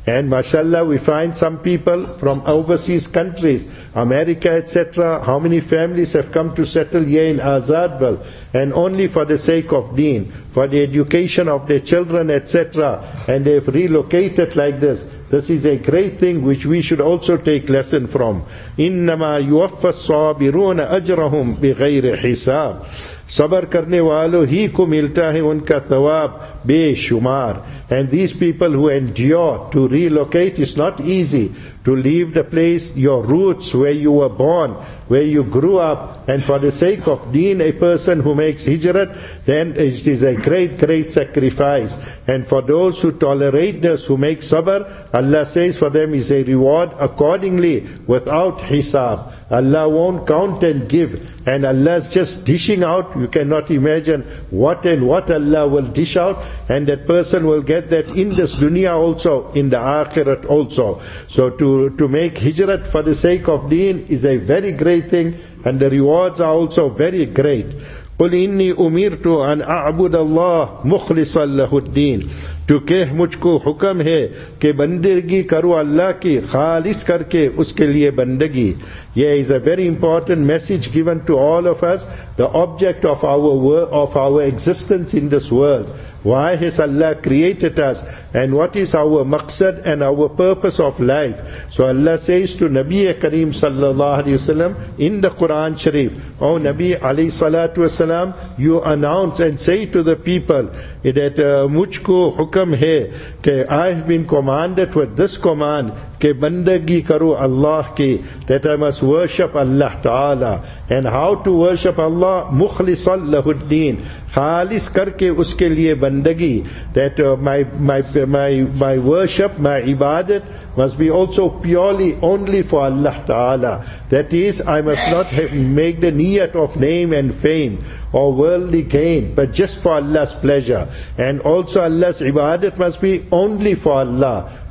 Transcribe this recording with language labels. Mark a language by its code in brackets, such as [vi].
[en] And mashallah, we find some people from overseas countries, America, etc. How many families have come to settle here in Azadbal, and only for the sake of deen, for the education of their children, etc. And they have relocated like this. This is a great thing which we should also take lesson from. [ar] إِنَّمَا يُوَفَّ الصَّابِرُونَ أَجْرَهُمْ بِغَيْرِ حِسَابٍ, [ur] صبر کرنے والوں ہی کو ملتا ہے ان کا ثواب بے شمار. [en] And these people who endure to relocate, is not easy to leave the place, your roots, where you were born, where you grew up, and for the sake of deen, a person who makes hijrat, then it is a great, great sacrifice. And for those who tolerate this, who make sabr, Allah says for them is a reward accordingly, without hisab. Allah won't count and give, and Allah's just dishing out. You cannot imagine what and what Allah will dish out, and that person will get that in this dunya also, in the akhirat also. So to make hijrat for the sake of deen is a very great thing, and the rewards are also very great. [ar] قُلْ إِنِّي أُمِرْتُ أَنْ أَعْبُدَ اللَّهِ مُخْلِصًا لَهُ الدِّينِ, [ur] تو کہ مجھ کو حکم ہے کہ بندگی کرو اللہ کی خالص کر کے اس کے لئے بندگی. [en] Yeah, is a very important message given to all of us, the object of our existence in this world. Why has Allah created us? And what is our maqsad and our purpose of life? So Allah says to Nabi Kareem sallallahu alayhi wa sallam in the Quran Sharif, O Nabi alayhi salatu wa sallam, you announce and say to the people that [ur] mujhko hukam hai, ke [en] I have been commanded with this command, [ur] ke bandagi karu Allah ki, [en] that I must worship Allah Ta'ala. And how to worship Allah? [ar] Mukhlisan lahuddin. [ur] خالص کر کے اس کے لئے بندگی. [en] That my worship, my ibadat must be also purely only for Allah Ta'ala. That is, I must not make the niyat of name and fame. or worldly gain, but just for Allah's pleasure. And also Allah's ibadat must be only for Allah.